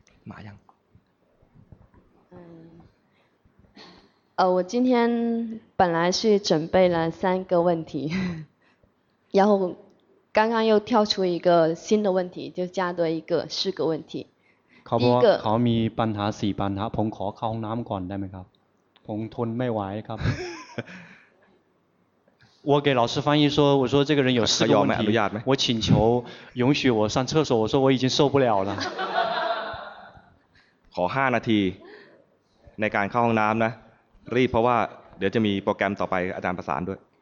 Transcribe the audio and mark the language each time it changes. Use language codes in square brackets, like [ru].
[th] มายัง [zh] 我今天本来是准备了三个问题然后刚刚又跳出一个新的问题就加多一个四个问题 [th] เขาบอกว่าเขามีปัญหาสี่ปัญหาผมขอเข้าห้องน้ำก่อนได้ไหมครับผมทนไม่ไหวครับ [zh] 我给老师翻译说，我说这个人有四个问题，我请求允许我上厕所，我说我已经受不了了。 [th] ขอ5นาทีในการเข้าห้องน้ำนะรีบเพราะว่าเดี๋ยวจะมีโปรแกรมต่อไปอาจารย์ประสานด้วย